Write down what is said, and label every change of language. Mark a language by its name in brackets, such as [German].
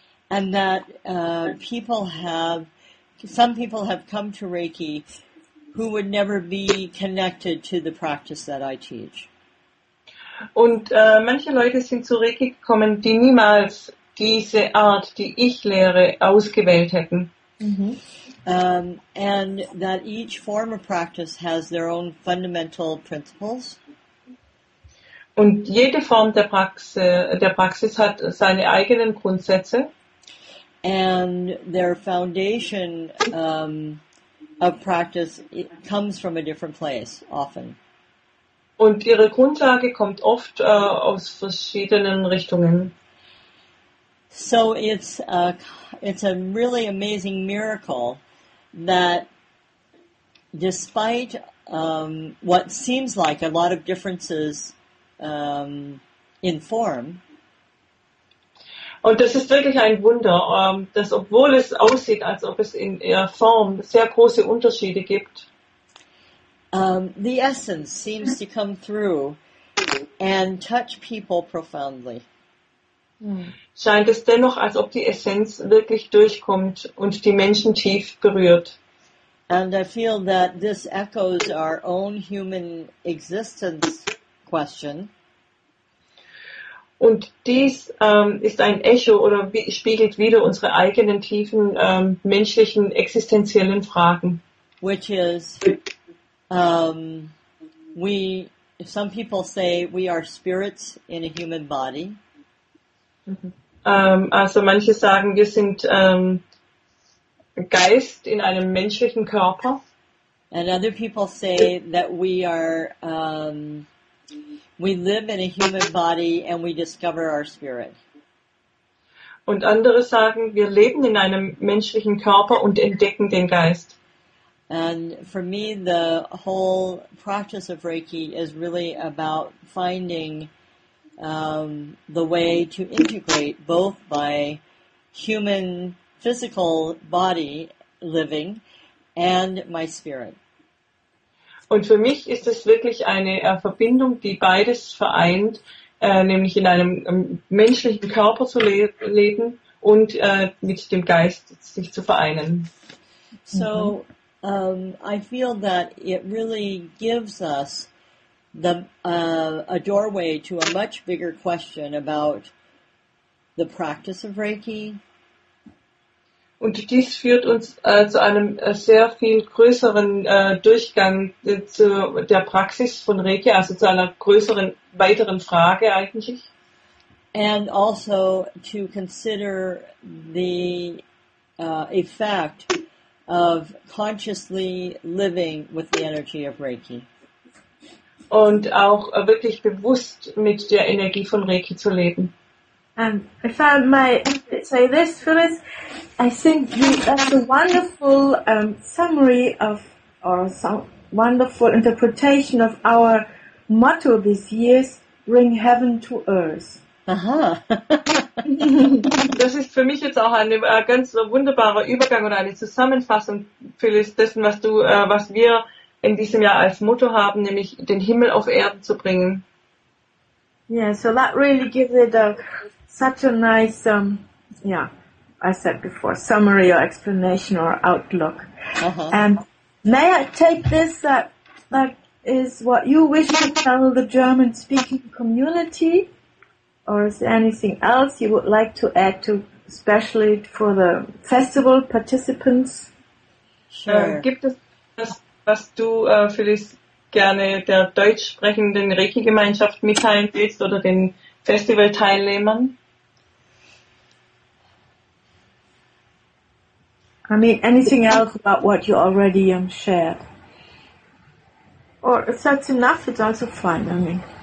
[English] And that some people have come to Reiki who would never be connected to the practice that I teach. [German] Und manche Leute sind zu Reiki gekommen, die niemals diese Art, die ich lehre, ausgewählt hätten. Mm-hmm. [English] And that each form of practice has their own fundamental principles. [German] Und jede Form der Praxis hat seine eigenen Grundsätze. [English] And their foundation of practice comes from a different place often. [German] Und ihre Grundlage kommt oft aus verschiedenen Richtungen. [English] So it's a really amazing miracle that despite what seems like a lot of differences in form. [German] Und das ist wirklich ein Wunder, dass obwohl es aussieht, als ob es in ihrer Form sehr große Unterschiede gibt. [English] The essence seems to come through and touch people profoundly. [German] Scheint es dennoch, als ob die Essenz wirklich durchkommt und die Menschen tief berührt. [English] And I feel that this echoes our own human existence question. [German] Und dies ist ein Echo oder spiegelt wieder unsere eigenen tiefen menschlichen existenziellen Fragen. [English] Which is, some people say we are spirits in a human body. [German] Also manche sagen, wir sind Geist in einem menschlichen Körper. [English] And other people say that we are We live in a human body and we discover our spirit. [German] Und andere sagen, wir leben in einem menschlichen Körper und entdecken den Geist. [English] And for me, the whole practice of Reiki is really about finding the way to integrate both by human physical body living and my spirit. [German] Und für mich ist es wirklich eine Verbindung, die beides vereint, nämlich in einem menschlichen Körper zu leben und mit dem Geist sich zu vereinen. [English] So, I feel that it really gives us the a doorway to a much bigger question about the practice of Reiki. [German] Und dies führt uns zu einem sehr viel größeren Durchgang zu der Praxis von Reiki, also zu einer größeren, weiteren Frage eigentlich. [English] And also to consider the effect of consciously living with the energy of Reiki. [German] Und auch wirklich bewusst mit der Energie von Reiki zu leben. [English] I found my, say this, Phyllis, I think that's a wonderful summary of, or some wonderful interpretation of our motto this year, bring heaven to earth. Aha. [German] Das ist für mich jetzt auch ein ganz wunderbarer Übergang oder eine Zusammenfassung, Phyllis, dessen, was du, was wir in diesem Jahr als Motto haben, nämlich den Himmel auf Erden zu bringen. [English] Yeah, so that really gives it a such a nice, I said before, summary or explanation or outlook. Uh-huh. And may I take this that is what you wish to tell the German-speaking community? Or is there anything else you would like to add to, especially for the festival participants? Sure. [German] Gibt es das, was du, Phyllis, gerne der deutsch sprechenden Reiki-Gemeinschaft mitteilen willst oder den Festival-Teilnehmern? [English] I mean, anything else about what you already shared? Or if that's enough, it's also fine, I mean.